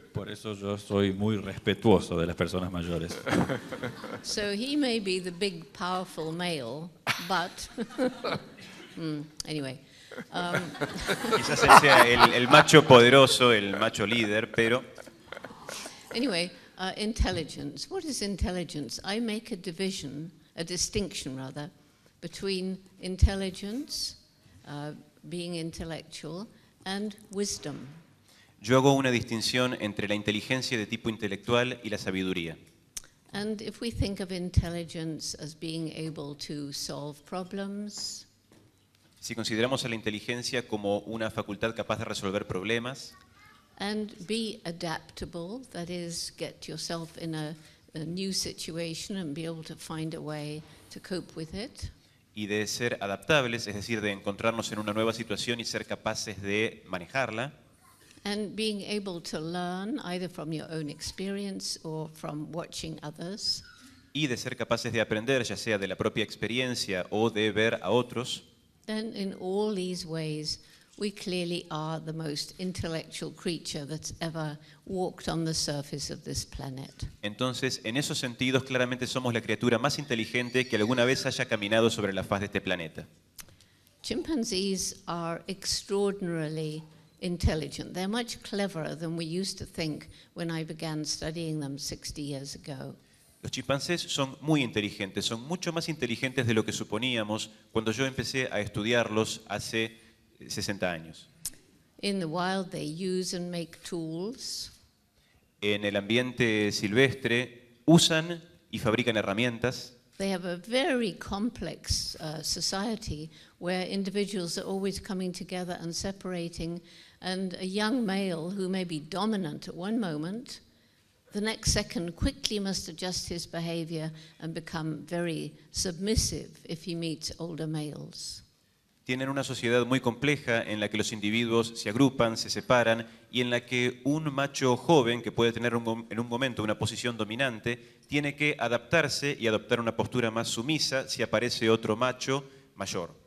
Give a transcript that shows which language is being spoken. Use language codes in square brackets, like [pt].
[es] Por eso yo soy muy respetuoso de las personas mayores. [en] So he may be the big, powerful male, but anyway. [es] Quizás él sea el macho poderoso, el macho líder, pero. [en] Anyway. Intelligence. What is intelligence? I make a division, a distinction rather, between intelligence, being intellectual, and wisdom. [es] Yo hago una distinción entre la inteligencia de tipo intelectual y la sabiduría. [en] And if we think of intelligence as being able to solve problems, [es] si consideramos a la inteligencia como una facultad capaz de resolver problemas, [en] and be adaptable, that is, get yourself in a new situation and be able to find a way to cope with it. [es] Y de ser adaptables, es decir, de encontrarnos en una nueva situación y ser capaces de manejarla. [en] And being able to learn either from your own experience or from watching others. [es] Y de ser capaces de aprender, ya sea de la propia experiencia o de ver a otros. [en] Then in all these ways, we clearly are the most intellectual creature that's ever walked on the surface of this planet. [es] Entonces, en esos sentidos, claramente somos la criatura más inteligente que alguna vez haya caminado sobre la faz de este planeta. [en] Chimpanzees are extraordinarily intelligent. They're much cleverer than we used to think when I began studying them 60 years ago. [es] Los chimpancés son muy inteligentes, son mucho más inteligentes de lo que suponíamos cuando yo empecé a estudiarlos hace 60 años. [en] In the wild they use and make tools. [es] En el ambiente silvestre usan y fabrican herramientas. [en] They have a very complex society where individuals are always coming together and separating, and a young male who may be dominant at one moment, the next second quickly must adjust his behavior and become very submissive if he meets older males. [es] Tienen una sociedad muy compleja en la que los individuos se agrupan, se separan, y en la que un macho joven que puede tener en un momento una posición dominante tiene que adaptarse y adoptar una postura más sumisa si aparece otro macho mayor.